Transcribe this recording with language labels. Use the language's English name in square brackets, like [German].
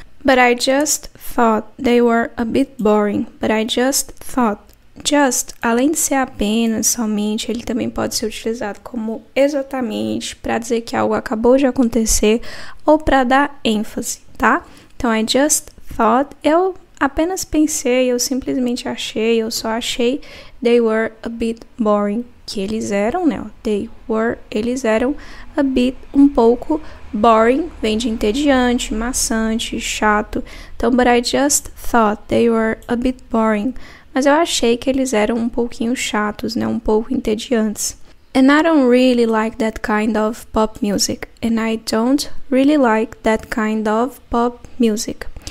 [English] But I just thought they were a bit boring. But I just thought. [Portuguese] Just, além de ser apenas, somente, ele também pode ser utilizado como exatamente, para dizer que algo acabou de acontecer, ou para dar ênfase, tá? Então, [English] I just thought, [Portuguese] eu apenas pensei, eu simplesmente achei, eu só achei, [English] they were a bit boring, [Portuguese] que eles eram, né? [English] They were, [Portuguese] eles eram a bit, um pouco, boring, vem de entediante, maçante, chato. Então, [English] but I just thought they were a bit boring. [Portuguese] Mas eu achei que eles eram um pouquinho chatos, né? Um pouco entediantes. [English] And I don't really like that kind of pop music. And I don't really like that kind of pop music.